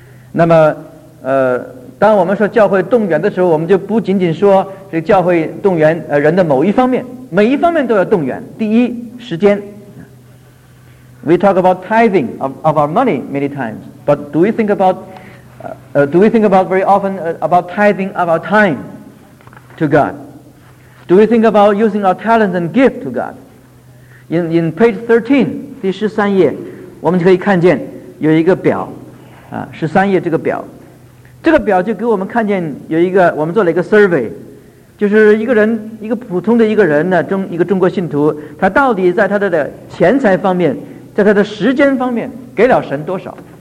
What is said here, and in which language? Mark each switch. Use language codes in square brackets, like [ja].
[zh] 那么，当我们说教会动员的时候，我们就不仅仅说这教会动员人的某一方面，每一方面都要动员。第一，时间。 [en] We talk about tithing of our money many times, but do we think about? Do we think about very often about tithing of our time to God? Do we think about using our talents and gift to God? In page 13, [zh] 第十三页，我们就可以看见有一个表，十三页这个表，这个表就给我们看见有一个，我们做了一个 survey， 就是一个人，一个普通的一个人呢，一个中国信徒，他到底在他的钱财方面，在他的时间方面，给了神多少？